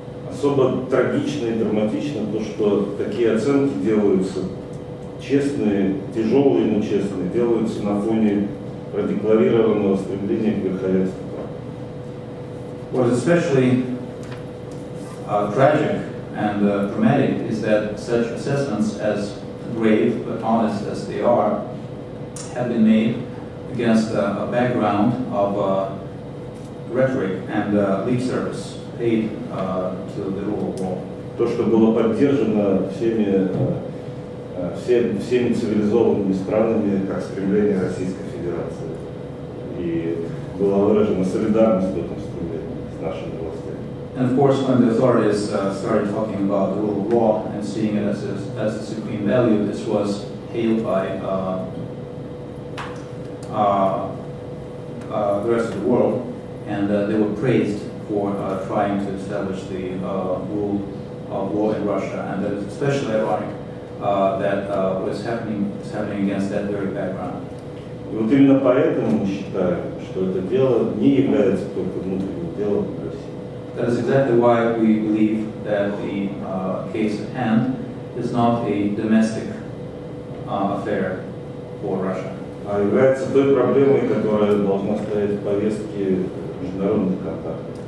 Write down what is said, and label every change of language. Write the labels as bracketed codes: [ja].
[ru] Особо трагично и драматично то, что такие оценки делаются честные, тяжелые, но честные, делаются на фоне продекларированного стремления к верховенству права. [en] What is especially tragic and dramatic is that such assessments, as grave but honest as they are, have been made against a background of rhetoric and lip service paid to the rule of law. [ru] То, что было поддержано всеми всеми цивилизованными странами как стремление Российской Федерации. И была выражена солидарность в этом стремлении с нашими властями. [en] And of course, when the authorities started talking about the rule of law and seeing it as a supreme value, this was hailed by the rest of the world, and they were praised for trying to establish the rule of law in Russia, and that is especially ironic that what is happening against that very background. [ru] И вот именно поэтому мы считаем, что это дело не является только внутренним делом России. [en] That is exactly why we believe that the case at hand is not a domestic affair for Russia. [ru] А является той проблемой, которая должна стоять в повестке международных контактов.